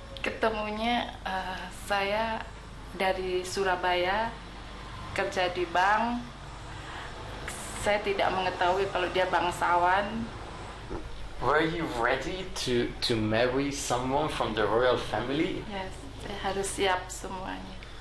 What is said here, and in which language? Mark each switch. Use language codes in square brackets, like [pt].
[id] Ketemunya saya dari Surabaya kerja di bank. Saya tidak mengetahui kalau dia bangsawan. [en] Were you ready to marry someone from the royal family? Yes, [id] saya harus siap semuanya.